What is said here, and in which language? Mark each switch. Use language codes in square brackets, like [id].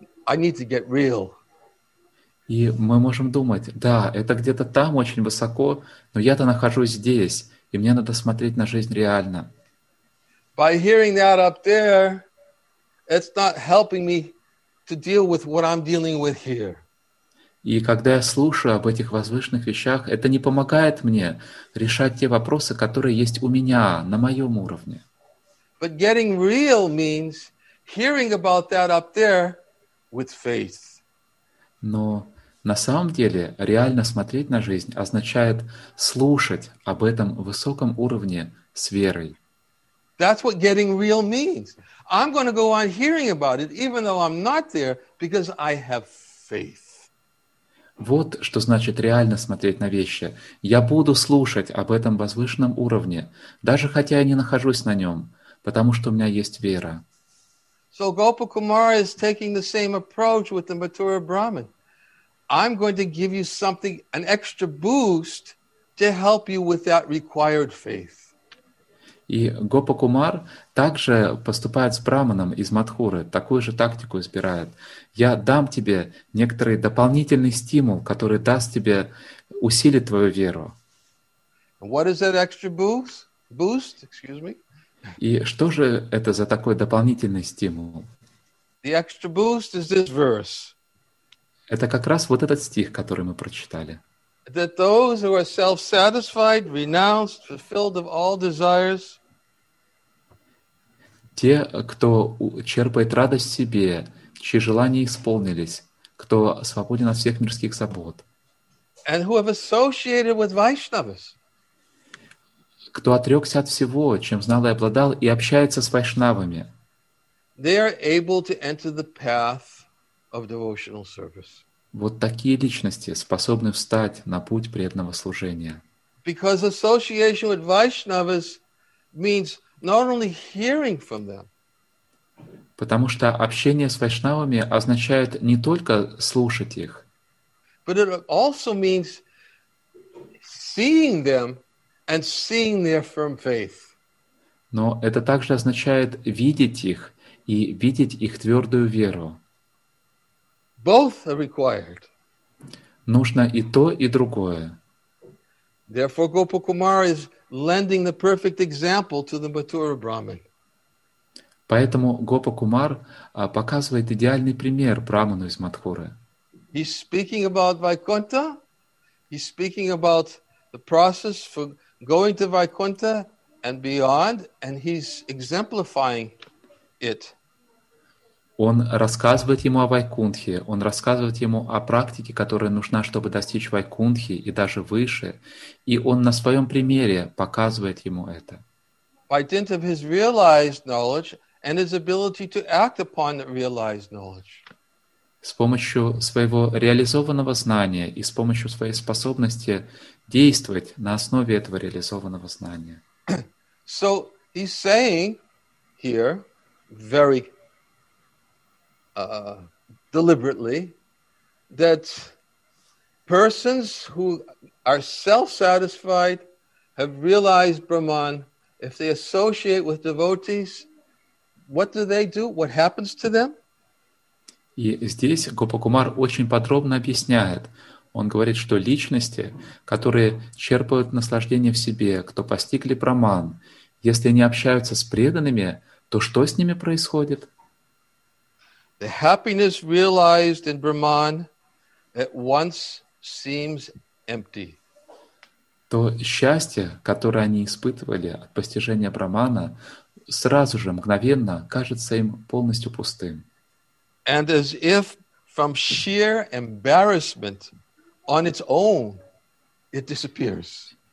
[en] I need to get real. [ru] И мы можем думать, да, это где-то там очень высоко, но я-то нахожусь здесь, и мне надо смотреть на жизнь реально. [en] By hearing that up there, it's not helping me to deal with what I'm dealing with here. [ru] И когда я слушаю об этих возвышенных вещах, это не помогает мне решать те вопросы, которые есть у меня на моем уровне. [en] But getting real means hearing about that up there with faith. [ru] Но на самом деле реально смотреть на жизнь означает слушать об этом высоком уровне с верой. [en] That's what getting real means. I'm going to go on hearing about it, even though I'm not there, because I have faith. [ru] Вот что значит реально смотреть на вещи. Я буду слушать об этом возвышенном уровне, даже хотя я не нахожусь на нем, потому что у меня есть вера. [en] So Gopa Kumara is taking the same approach with the mature Brahman. I'm going to give you something, an extra boost to help you with that required faith. [ru] И Гопа Кумар также поступает с Браманом из Матхуры, такую же тактику избирает. Я дам тебе некоторый дополнительный стимул, который даст тебе усилить твою веру. [en] What is that extra boost? Excuse me. [ru] И что же это за такой дополнительный стимул? [en] The extra boost is this verse. [ru] Это как раз вот этот стих, который мы прочитали. [en] That those who are self-satisfied, renounced, fulfilled of all desires. [ru] Те, кто черпает радость в себе, чьи желания исполнились, кто свободен от всех мирских забот. [en] And who have associated with Vaishnavas. [ru] Кто отрекся от всего, чем знал и обладал, и общается с вайшнавами. [en] They are able to enter the path of devotional service. [ru] Вот такие личности способны встать на путь преданного служения. [en] Because association with Vaishnavas means not only hearing from them. [ru] Потому что общение с вайшнавами означает не только слушать их. [en] But it also means seeing them and seeing their firm faith. [ru] Но это также означает видеть их и видеть их твердую веру. [en] Both are required. [ru] Нужно и то, и другое. [en] Therefore, Gopa Kumara is lending the perfect example to the mature Brahman. [ru] Поэтому Гопа Кумар показывает идеальный пример Браману из Матхуры. [en] He's speaking about Vaikuntha. He's speaking about the process for going to Vaikuntha and beyond, and he's exemplifying it. [ru] Он рассказывает ему о Вайкунтхе, он рассказывает ему о практике, которая нужна, чтобы достичь Вайкунтхи и даже выше, и он на своем примере показывает ему это. [en] By dint of his realized knowledge and his ability to act upon the realized knowledge. [ru] С помощью своего реализованного знания и с помощью своей способности действовать на основе этого реализованного знания. [en] So he's saying here very deliberately that persons who are self-satisfied have realized Brahman. If they associate with devotees, what do they do? What happens to them? [ru] И здесь Гопакумар очень подробно объясняет. Он говорит, что личности, которые черпают наслаждение в себе, кто постигли Браман, если не общаются с преданными, то что с ними происходит? [en] The happiness realized in Brahman at once seems empty. [ru] То счастье, которое они испытывали от постижения Брамана, сразу же, мгновенно, кажется им полностью пустым. [en] And as if from sheer embarrassment on its own, it disappears.